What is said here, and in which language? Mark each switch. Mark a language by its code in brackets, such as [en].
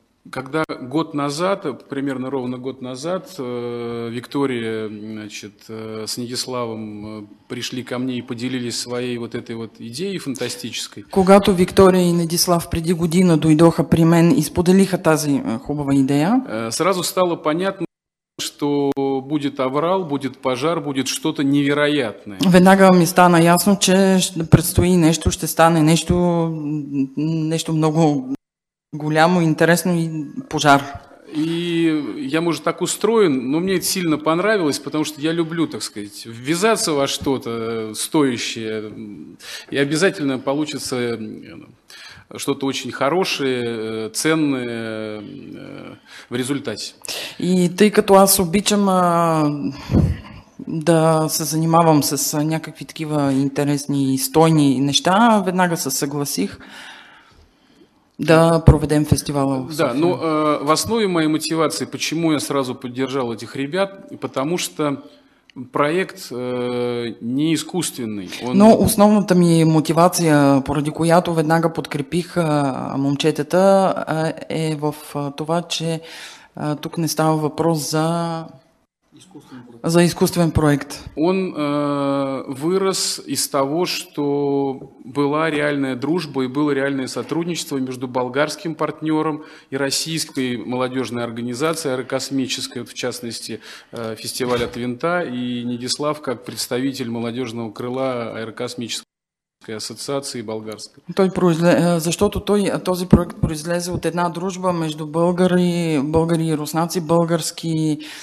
[ru] Когда год назад, примерно ровно год назад, Виктория, значит, с Нигиславом пришли ко мне и поделились своей вот этой вот идеей фантастической. [bg] Когато Виктория и Нигислав преди година дойдоха при мен и споделиха тази хубава идея, [ru] сразу стало понятно, что будет аврал, будет пожар, будет что-то невероятное. [bg] Веднага ми стана ясно, че предстои нещо, ще стане нещо, нещо много голямо, интересно и пожар. [ru] И я, может, так устроен, но мне это сильно понравилось, потому что я люблю, так сказать, ввязаться во что-то стоящее, и обязательно получится что-то очень хорошее, ценное в результате. [bg] И ты, като аз обичам да се занимавам с някакви такива интересни и стойни неща, веднага се съгласих да проведем фестивал. [ru] Да, но в основе моей мотивации, почему я сразу поддержал этих ребят, потому что проект не искусственный. [bg] Но основната ми мотивация, поради която веднага подкрепих момчетата, е в това, че тук не става въпрос за искусствен проект. [ru] Он вырос из того, что была реальная дружба и было реальное сотрудничество между болгарским партнером и российской молодежной организацией, аэрокосмической, вот в частности, фестиваль от Винта, и Нигислав как представитель молодежного крыла аэрокосмической асоциации болгарской. [bg] Той защото той, този проект произлезе от една дружба между българи и руснаци, български